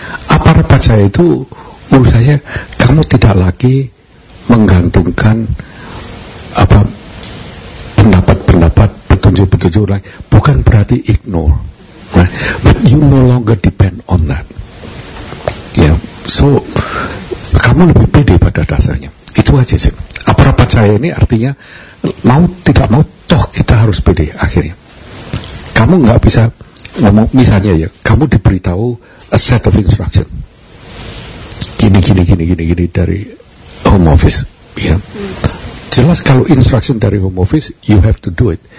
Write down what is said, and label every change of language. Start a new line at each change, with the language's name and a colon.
Indonesian: Aparat percaya itu menurut saya kamu tidak lagi menggantungkan apa pendapat-pendapat petunjuk-petunjuk lain, bukan berarti ignore, right?
English: But you no longer depend on that.
Indonesian: Yeah, so kamu lebih pede pada dasarnya. Itu aja sih. Aparat percaya ini artinya mau tidak mau toh kita harus pede akhirnya. Kamu nggak bisa ngomong misalnya ya, kamu diberitahu
English: a set of instruction.
Indonesian: Gini dari home office, ya. jelas kalau instruction dari home office,
English: you have to do it.